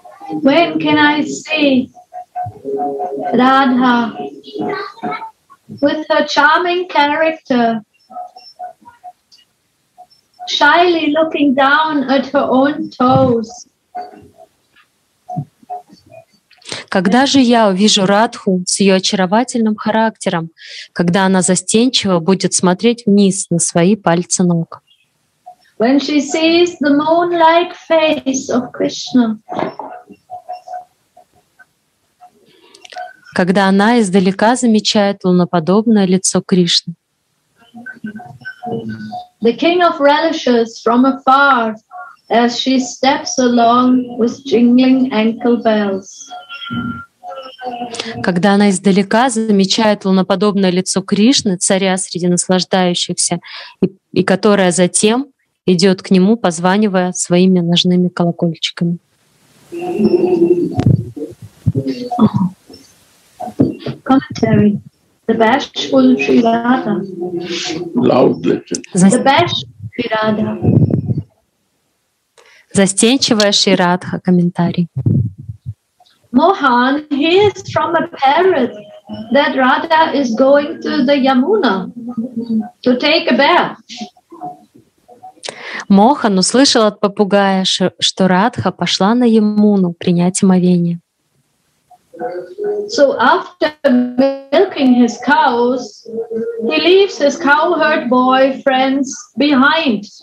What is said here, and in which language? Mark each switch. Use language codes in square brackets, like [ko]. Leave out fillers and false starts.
[en] When can I see Radha with her charming character, shyly looking down at her own toes? [ru] Когда же я увижу Радху с ее очаровательным характером, когда она застенчиво будет смотреть вниз на свои пальцы ног? [en] When she sees the moon-like face of Krishna. [ru] Когда она издалека замечает луноподобное лицо Кришны. [en] The king of relishes from afar as she steps along with jingling ankle bells. [ru] Когда она издалека замечает луноподобное лицо Кришны, царя среди наслаждающихся, и которая затем идет к нему, позванивая своими ножными колокольчиками. [en] Commentary. The bashful Sri Radha. Loudly. The bashful Sri Radha. [ru] Застенчивая Шри Радха. Комментарий. [en] Mohan hears from a parrot that Radha is going to the Yamuna to take a bath. [ru] Mohan услышал от попугая, что Радха пошла на Ямуну принять омовение. [en] So after milking his cows, he leaves his cowherd boy friends behind.